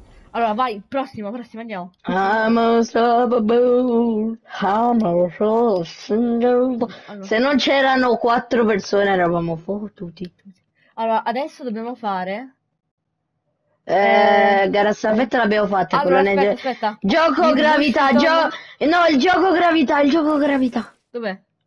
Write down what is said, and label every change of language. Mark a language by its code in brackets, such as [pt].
[it] Allora vai, prossimo, andiamo. [en] I'm unstoppable, I'm unstoppable. [it] Se non c'erano quattro persone eravamo fottuti. Allora, adesso dobbiamo fare. Gara staffetta l'abbiamo fatta, Allora, colonnello. aspetta. Gioco Di gravità, Washington. no, il gioco gravità, il gioco gravità. Dov'è?